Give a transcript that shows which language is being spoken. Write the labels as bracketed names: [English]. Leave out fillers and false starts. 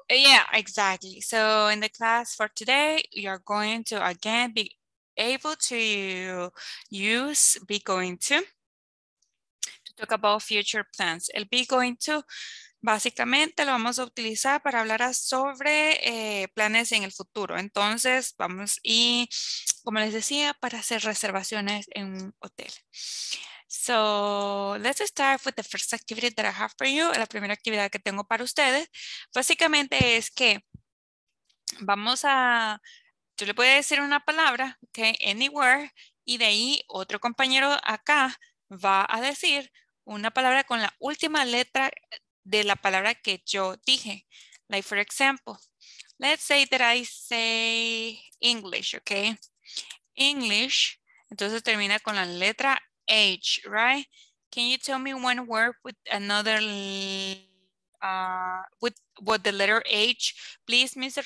[English] Yeah, exactly. So, in the class for today, you're going to again be able to use be going to talk about future plans. El be going to [Spanish] Básicamente lo vamos a utilizar para hablar sobre planes en el futuro. Entonces vamos y como les decía, para hacer reservaciones en un hotel. [English] So let's start with the first activity that I have for you. [Spanish] La primera actividad que tengo para ustedes básicamente es que vamos a, yo le voy a decir una palabra, okay, anywhere, y de ahí otro compañero acá va a decir una palabra con la última letra de la palabra que yo dije. [English] Like for example, let's say that I say English, okay? [Spanish] English, entonces termina con la letra H, right? [English] Can you tell me one word with another, with the letter H, please, Mr.